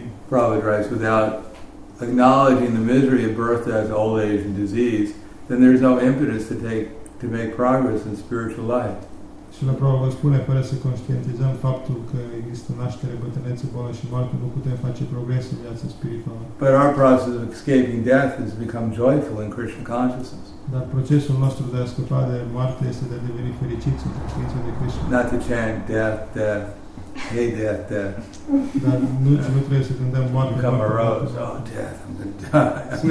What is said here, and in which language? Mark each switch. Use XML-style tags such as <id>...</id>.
<en>Prabhupada writes, without acknowledging the misery of birth, death, old age, and disease, then there's no impetus to make progress in spiritual life.</en> <ro>Și la Prabhupada spune, fără să conștientizăm faptul că există naștere, bătrânețe, boală și moarte, nu putem face progres în viața spirituală.</ro> <en>But our process of escaping death has become joyful in Krishna consciousness.</en> <ro>Dar procesul nostru de a scăpa de moarte este de a deveni fericit în conștiința de Krishna.</ro> <en>Not to chant death, death, hey death, death.</en> <ro>Dar nu trebuie să cântăm moarte.</ro> <en>Become a rose, oh death, I'm going to die.</en>